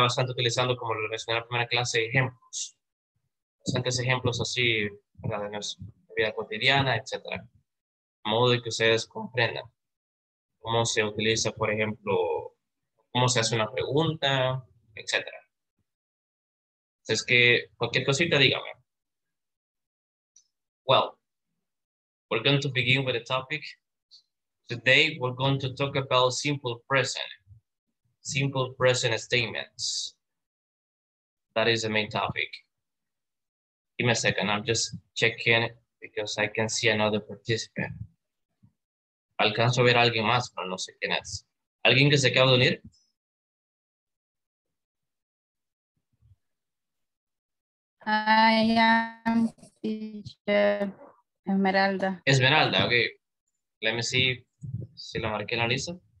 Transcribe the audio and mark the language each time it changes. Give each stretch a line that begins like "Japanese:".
Spanish: Bastante utilizando, como lo mencioné en la primera clase, ejemplos. Bastantes ejemplos así, ¿verdad? De nuestra vida cotidiana, etc. Modo de que ustedes comprendan. Cómo se utiliza, por ejemplo, cómo se hace una pregunta, etc. Es que cualquier cosita, dígame.
English: Well, we're going to begin with a topic. Today, we're going to talk about simple present. Simple present statements. That is the main topic. Give me a second. I'm just checking because I can see another participant.
Spanish: Alcanzo a ver a alguien más, pero no sé quién es. ¿Alguien que se acaba de unir?
English: I am teacher Esmeralda. Esmeralda, ok. Let me see
Spanish: si lo marqué en la lista.